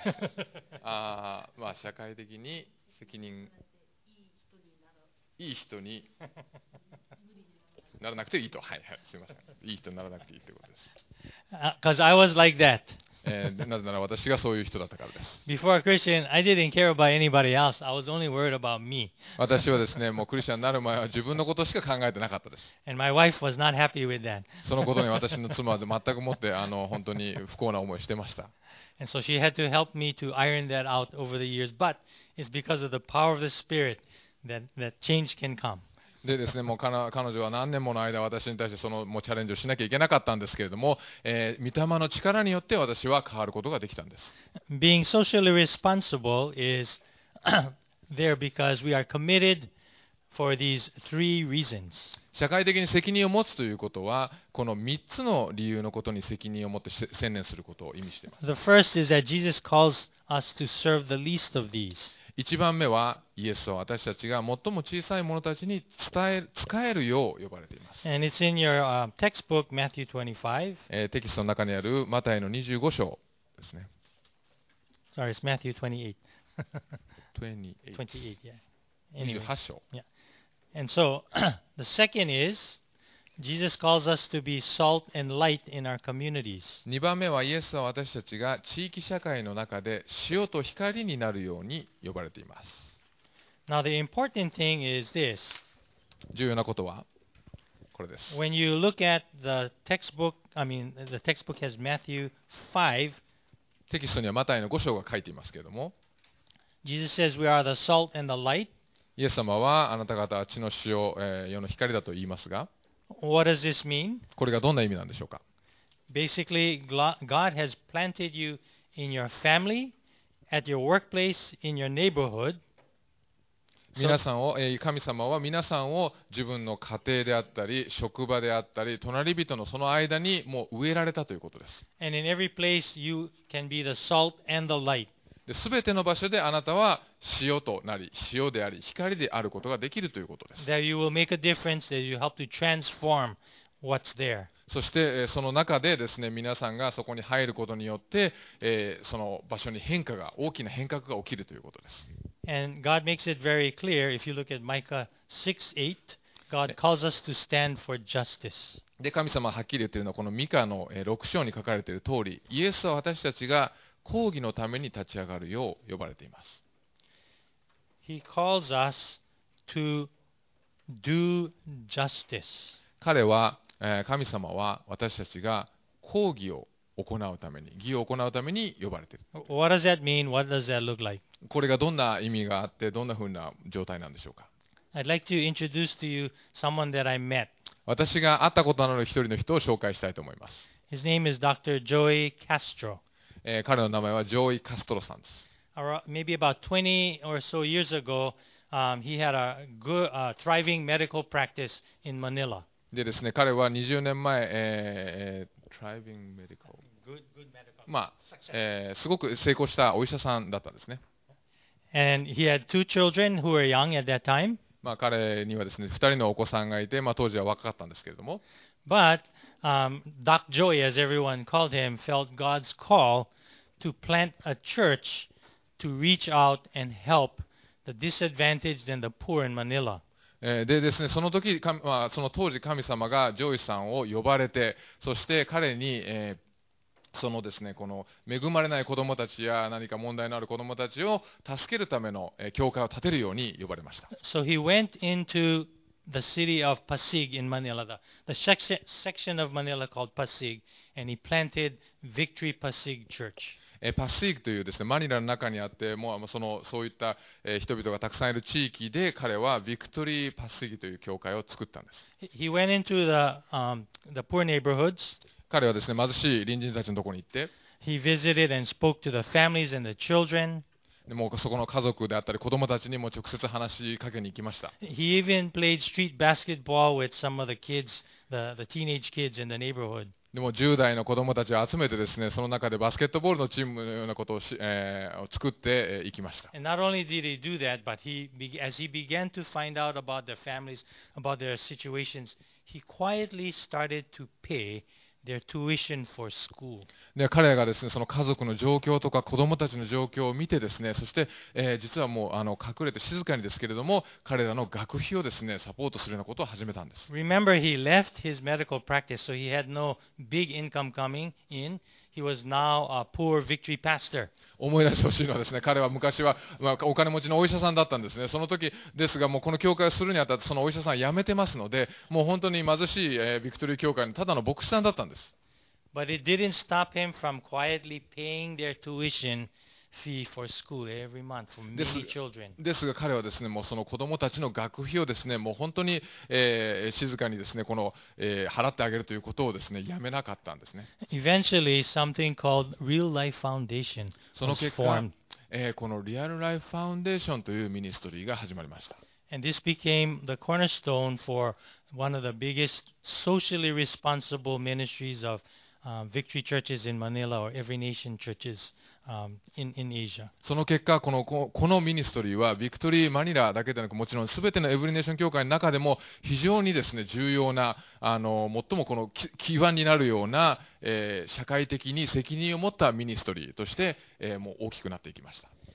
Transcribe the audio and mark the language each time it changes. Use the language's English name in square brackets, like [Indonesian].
[Japanese] 、はい、まあ社会的に責任いい人に。ならなくていいと、はいはい、すみません、いい人にならなくていいということです。 [English] Because I was like that. [Japanese] なぜなら私がそういう人だったからです。 [English] Before a Christian, I didn't care about anybody else. I was only worried about me. [Japanese] 私はですね、もうクリスチャンになる前は自分のことしか考えてなかったです。 [English] And my wife was not happy with that. [Japanese] そのことに私の妻は全くもって本当に不幸な思いをしてました。 [English] And so she had to help me to iron that out over the years. But it's because of the power of the Spirit that change can come. [Japanese] でですね、もう彼女は何年もの間私に対してそのもうチャレンジをしなきゃいけなかったんですけれども、御霊の力によって私は変わることができたんです。 [English] Being socially responsible is there because we are committed for these three reasons. [Japanese] 社会的に責任を持つということはこの3つの理由のことに責任を持って専念することを意味しています。 [English] The first is that Jesus calls us to serve the least of these. [Japanese] 一番目はイエスを私たちが最も小さい者たちに使えるよう呼ばれています。 [English] And it's in your textbook, Matthew 25. [Japanese] テキストの中にあるマタイの25章ですね。 [English] Sorry, it's Matthew 28. 28, yeah. [Japanese] 28章。 [English] Yeah. And so, the second is... Jesus calls us to be salt and light in our communities. [Japanese] 2番目はイエスは私たちが地域社会の中で塩と光になるように呼ばれています。 [English] Now the important thing is this. [Japanese] 重要なことはこれです。 [English] When you look at the textbook, I mean, the textbook has Matthew 5. [Japanese] テキストにはマタイの5章が書いていますけれども。 [English] Jesus says we are the salt and the light. [Japanese] イエス様はあなた方は地の塩、世の光だと言いますが、 [English] What does this mean? [Japanese] これがどんな意味なんでしょうか? [English] Basically, God has planted you in your family, at your workplace, in your neighborhood. [Japanese] 皆さんを、神様は皆さんを自分の家庭であったり、職場であったり、隣人のその間にもう植えられたということです。 [English] And in every place, you can be the salt and the light. [Japanese] すべての場所であなたは塩となり、塩であり、光であることができるということです。そしてその中でですね、皆さんがそこに入ることによって、その場所に変化が、大きな変革が起きるということです。 [English] And God makes it very clear, if you look at Micah 6:8, God calls us to stand for justice. [Japanese] で、神様はっきり言っているのは、このミカの6章に書かれている通り、イエスは私たちが公義のために立ち上がるよう呼ばれています。 [English] He calls us to do justice. [Japanese] 彼は、神様は私たちが公義を行うために、義を行うために呼ばれている。 [English] What does that mean? What does that look like? [Japanese] これがどんな意味があって、どんなふうな状態なんでしょうか。 [English] I'd like to introduce to you someone that I met. [Japanese] 私が会ったことのある一人の人を紹介したいと思います。 [English] His name is Dr. Joey Castro. [Japanese] 彼の名前はジョイ・カストロさんです。 [English] Maybe about 20 or so years ago, he had a good, thriving medical practice in Manila. [Japanese] でですね、彼は20年前、 [English] thriving medical, good medical. [Japanese] まあ、すごく成功したお医者さんだったんですね。 [English] And he had two children who were young at that time. [Japanese] まあ、彼にはですね、2人のお子さんがいて、まあ、当時は若かったんですけれども。 [English] But,Doc Joey, as everyone called him, felt God's call to plant a church to reach out and help the disadvantaged and the poor in Manila. [Japanese] でですね、その時、まあ、その当時神様がジョイさんを呼ばれて、そして彼に、そのですね、この恵まれない子どもたちや何か問題のある子どもたちを助けるための、教会を建てるように呼ばれました。 [English] So he went into the city of Pasig in Manila, the section of Manila called Pasig, and he planted Victory Pasig Church. [Japanese] パシーグというですね、マニラの中にあって、もうそのそういった人々がたくさんいる地域で、彼はビクトリーパシーグという教会を作ったんです。 [English] He went into the poor neighborhoods. [Japanese] 彼はですね、貧しい隣人たちのところに行って、 [English] He visited and spoke to the families and the children. [Japanese] でもうそこの家族であったり子供たちにも直接話しかけに行きました。 [English] He even played street basketball with some of the kids, the teenage kids in the neighborhood. [Japanese] でも10代の子供たちを集めてですね、その中でバスケットボールのチームのようなことを、を作っていきました。 [English] And not only did he do that, but he, as he began to find out about their families, about their situations, he quietly started to pay their tuition for school. [Japanese] で、彼がですね、その家族の状況とか子供たちの状況を見てですね、そして、実はもう隠れて静かにですけれども、彼らの学費をですね、サポートするようなことを始めたんです。 [English] Remember, he left his medical practice, so he had no big income coming in. He was now a poor victory pastor. [Japanese] 思い出してほしいのはですね、彼は昔は、まあ、お金持ちのお医者さんだったんですね。その時ですが、もうこの教会をするにあたってそのお医者さんは辞めてますので、もう本当に貧しい、ビクトリー教会のただの牧師さんだったんです。 [English] But it didn't stop him from quietly paying their tuition fee for school every month for many children. [Japanese] ですが彼はですね、もうその子供たちの学費をですね、もう本当に、静かにですね、この、払ってあげるということをですね、やめなかったんですね。 [English] Eventually, something called Real Life Foundation was formed. [Japanese] その結果、このリアルライフファウンデーションというミニストリーが始まりました。 [English] And this became the cornerstone for one of the biggest socially responsible ministries of Victory Churches in Manila or Every Nation Churches. In Asia. [Japanese] その結果このミニストリーはビクトリーマニラだけでなくもちろん全てのエブリネーション教会の中でも非常にですね重要な最もこの基盤になるような、社会的に責任を持ったミニストリーとして、もう大きくなっていきました。